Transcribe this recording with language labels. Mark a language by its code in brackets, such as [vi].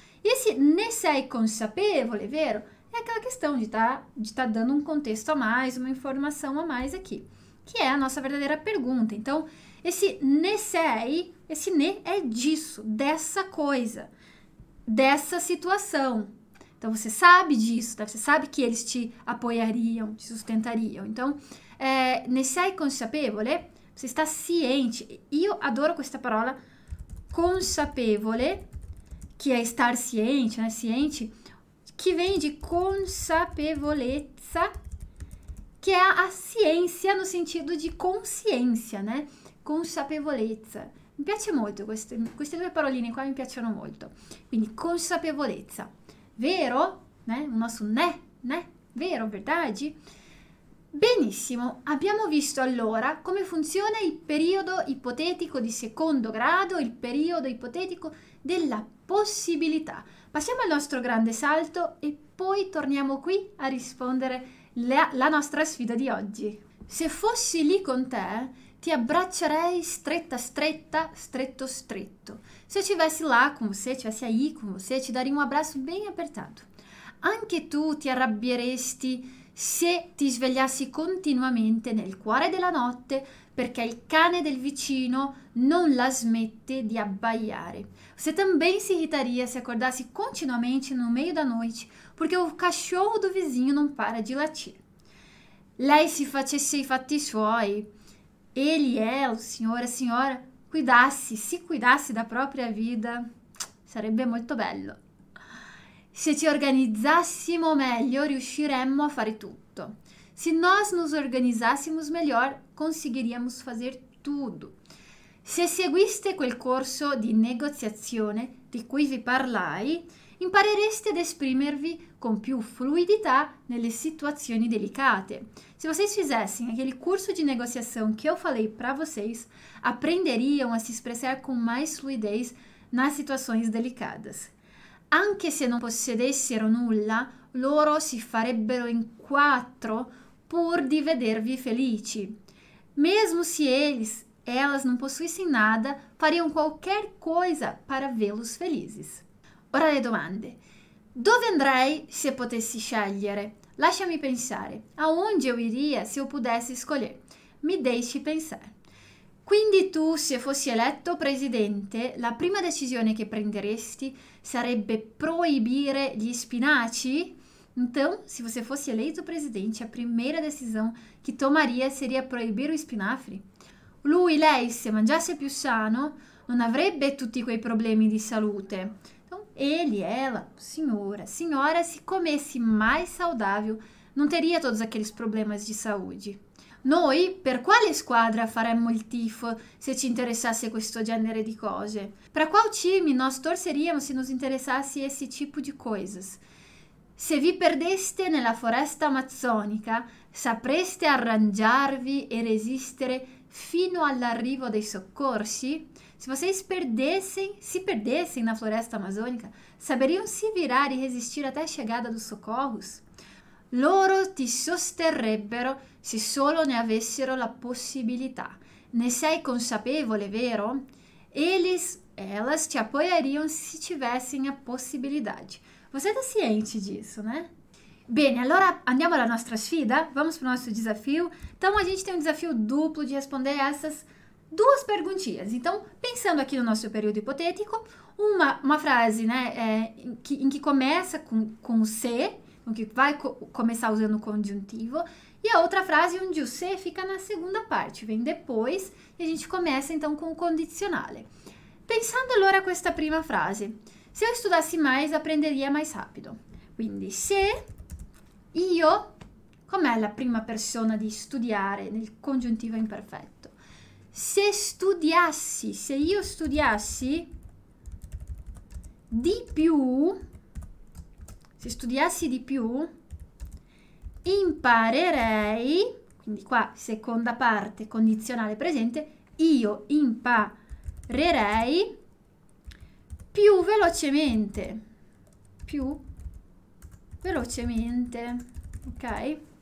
[it] E se ne sei consapevole, vero? [pt] È aquela questão de tá dando um contexto a mais, uma informação a mais aqui, que é a nossa verdadeira pergunta. Então, esse ne sei, esse ne é disso, dessa coisa, dessa situação. Então, você sabe disso, tá? Você sabe que eles te apoiariam, te sustentariam. Então, [it] ne sei consapevole, [pt] você está ciente. [it] Io adoro questa parola, consapevole, [pt] que é estar ciente, né? Ciente, que vem de consapevolezza, que é a ciência no sentido de consciência, né? [it] Consapevolezza. Mi piace molto queste due paroline qua, mi piacciono molto. Quindi, consapevolezza. Vero? Né? Il nostro né? Né? Vero, verdade? Benissimo, abbiamo visto allora come funziona il periodo ipotetico di secondo grado, il periodo ipotetico della possibilità. Passiamo al nostro grande salto e poi torniamo qui a rispondere la nostra sfida di oggi. Se fossi lì con te, ti abbraccerei stretta stretta, stretto stretto. [pt] Se estivesse lá com você, estivesse aí com você, te daria um abraço bem apertado. [it] Anche tu ti arrabbieresti se ti svegliassi continuamente nel cuore della notte perché il cane del vicino non la smette di abbaiare. [pt] Você também se irritaria se acordasse continuamente no meio da noite porque o cachorro do vizinho não para de latir. [it] Lei se facesse i fatti suoi, [pt] ele, ela, o senhor, a senhora, cuidasse, se cuidasse da própria vida, [it] sarebbe molto bello. Se ci organizzassimo meglio, riusciremmo a fare tutto. [pt] Se nós nos organizássemos melhor, conseguiríamos fazer tudo. [it] Se seguiste quel corso di negoziazione di cui vi parlai, imparereste ad esprimervi con più fluidità nelle situazioni delicate. [pt] Se vocês fizessem aquele curso de negociação que eu falei para vocês, aprenderiam a se expressar com mais fluidez nas situações delicadas. [it] Anche se non possedessero nulla, loro si farebbero in quattro pur di vedervi felici. [pt] Mesmo se elas não possuíssem nada, fariam qualquer coisa para vê-los felizes. [it] Ora le domande. Dove andrei se potessi scegliere? Lasciami pensare. [pt] Aonde eu iria se eu pudesse escolher? Me deixe pensare. [it] Quindi tu, se fossi eletto presidente, la prima decisione che prenderesti sarebbe proibire gli spinaci? [pt] Então, se você fosse eleito presidente, a primeira decisão che tomaria seria [it] proibire gli spinafri? Lui, lei, se mangiasse più sano, non avrebbe tutti quei problemi di salute. [pt] Ele, ela, senhora, senhora, se comesse mais saudável, não teria todos aqueles problemas de saúde. [it] Noi, per quale squadra faremmo il tifo se ci interessasse questo genere di cose? [pt] Per qual time nós torceríamos se nos interessasse esse tipo de coisas? [it] Se vi perdeste nella foresta amazzonica, sapreste arrangiarvi e resistere fino all'arrivo dei soccorsi? [pt] Se vocês se perdessem na floresta amazônica, saberiam se virar e resistir até a chegada dos socorros? [it] Loro ti sosterrebbero se solo ne avessero la possibilità. Ne sei consapevole, vero? [pt] Elas te apoiariam se tivessem a possibilidade. Você tá ciente disso, né? [it] Bene, allora andiamo alla nostra sfida? [pt] Vamos pro nosso desafio? Então, a gente tem um desafio duplo de responder essas duas perguntinhas. Então, pensando aqui no nosso período hipotético, uma frase, né, em que começa com o se, o que vai começar usando o conjuntivo, e a outra frase onde o se fica na segunda parte, vem depois, e a gente começa então com o condicionale. [it] Pensando allora a questa prima frase, [pt] se eu estudasse mais, aprenderia mais rápido. [it] Quindi, se io, com'è la prima persona di studiare nel congiuntivo imperfetto? Se io studiassi di più, se studiassi di più, imparerei, quindi qua seconda parte condizionale presente, io imparerei più velocemente, ok?